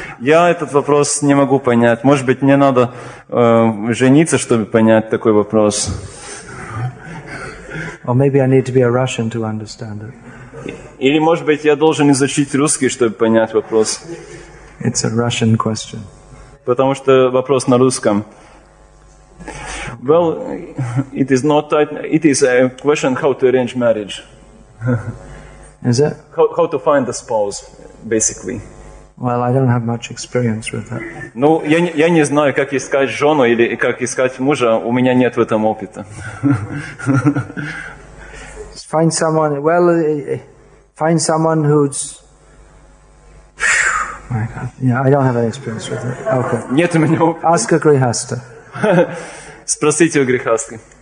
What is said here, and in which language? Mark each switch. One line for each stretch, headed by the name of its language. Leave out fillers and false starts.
Russian: Я этот вопрос не могу понять. Может быть, мне надо жениться, чтобы понять такой вопрос.
English: Or maybe I need to be a Russian to understand it.
Russian: Или, может быть, я должен изучить русский, чтобы понять вопрос.
English: It's a Russian question.
Russian: Потому что вопрос на русском.
English: Well, it is not that, it is a question how to arrange marriage. Is it? How to find a spouse, basically. Well, I don't have much experience with that.
Russian: Ну, я не знаю, как искать жену или как искать мужа. У меня нет в этом опыта.
English: Find someone, well, find someone who's, my God, yeah, I don't have any experience with it. Okay.
Russian: Нет у меня опыта.
English: Ask a grihastha.
Russian: Спросите у грихастхи.